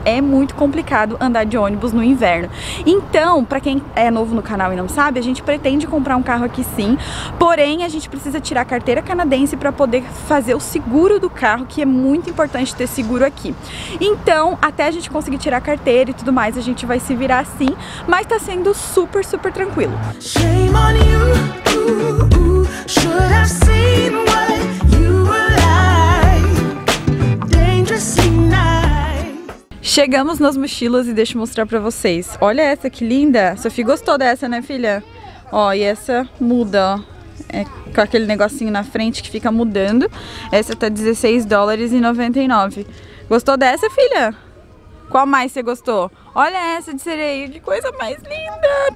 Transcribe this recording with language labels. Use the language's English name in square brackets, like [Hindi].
[Portuguese] É muito complicado andar de ônibus no inverno. Então, pra quem é novo no canal e não sabe, a gente pretende comprar um carro aqui sim. Porém, a gente precisa tirar a carteira canadense pra poder fazer o seguro do carro, que é muito importante ter seguro aqui. Então, até a gente conseguir tirar a carteira e tudo mais, a gente vai se virar assim, mas tá sendo super, super tranquilo. [English] Shame on you, should have seen what you were like. Dangerous night. [Portuguese] Chegamos nas mochilas e deixa eu mostrar pra vocês. Olha essa, que linda. Sophie gostou dessa, né, filha? Ó, e essa muda, ó. É com aquele negocinho na frente que fica mudando. Essa tá $16.99. Gostou dessa, filha? Qual mais você gostou? Olha essa de sereia, que coisa mais linda!